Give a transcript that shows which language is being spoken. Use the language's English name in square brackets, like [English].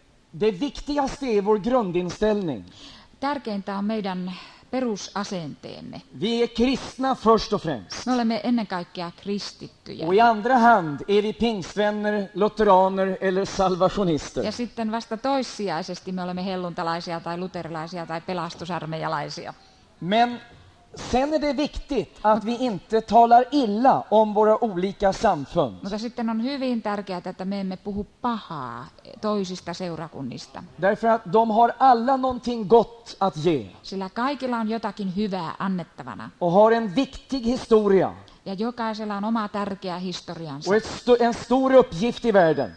[Swedish] Det viktigaste är vår grundinställning. [Finnish] Tärkeintä on meidän perusasenteemme. [Swedish] Vi är kristna först och främst. [Finnish] Me olemme ennen kaikkea kristittyjä. [Swedish] Och i andra hand är vi pingstvänner, lutheraner eller salvationister. [Finnish] Ja sitten vasta toissijaisesti me olemme helluntalaisia tai luterilaisia tai pelastusarmeijalaisia. [Swedish] Men sen är det viktigt att vi inte talar illa om våra olika samfund. [Finnish] Mutta sitten on hyvin tärkeää, että me emme puhu pahaa toisista seurakunnista. [Swedish] Därför att de har alla någonting gott att ge. [Finnish] Sillä kaikilla on jotakin hyvää annettavana. [Swedish] Och har en viktig historia. [Finnish] Ja jokaisella on oma tärkeä historiansa. [Swedish] Och en stor uppgift i världen.